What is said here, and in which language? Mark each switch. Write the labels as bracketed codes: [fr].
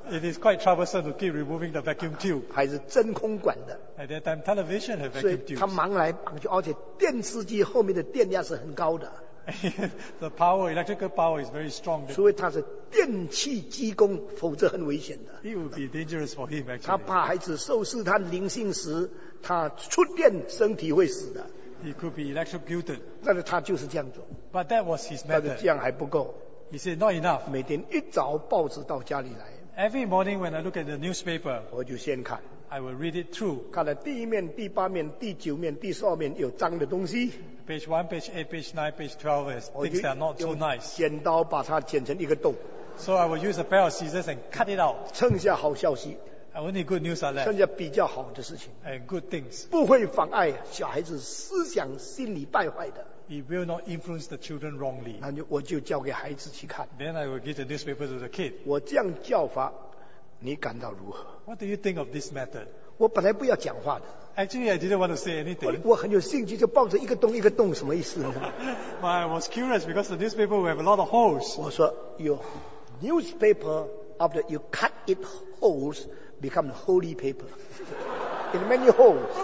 [en] It is quite troublesome to keep removing the vacuum tube. [zh] 还是真空管的。 [en] At that time, television had vacuum tubes. [zh] 所以他忙来忙去，而且电视机后面的电压是很高的。 [en] The power, electrical power is very strong. [zh] 除非他是电气机工，否则很危险的。 [en] It would be dangerous for him, actually. [zh] 他怕孩子受试探灵性时。他触电身体会死的。 [en] He could be electrocuted. [zh] 但是他就是这样做。 [en] But that was his method. [zh] 但是这样还不够。 [en] He said, not enough. [zh] 每天一早报纸到家里来。 [en] Every morning when I look at the newspaper, [zh] 我就先看。 [en] I will read it through. [zh] 看了第一面、第八面、第九面、第十二面有脏的东西。 [en] Page 1, page 8, page 9, page 12 is things that are not too nice. [zh] 剪刀把它剪成一个洞。 [en] So I will use a pair of scissors and cut it out. [zh] 剩下好消息。 [en] Only good news are left. [zh] 剩下比较好的事情。 [en] And good things. [zh] 不会妨碍小孩子思想心理败坏的。 [en] It will not influence the children wrongly. [zh] 那我就交给孩子去看。 [en] Then I will give the newspaper to the kid. [zh] 我这样叫法， 你感到如何？ [en] What do you think of this method? [zh] 我本来不要讲话的。 [en] Actually, I didn't want to say anything. [zh] 我很有兴趣，就抱着一个洞一个洞，什么意思呢？ [en] But I was curious because the newspaper will have a lot of holes. [zh] 我说， [en] your newspaper, after you cut it holes, become the holy paper in many holes.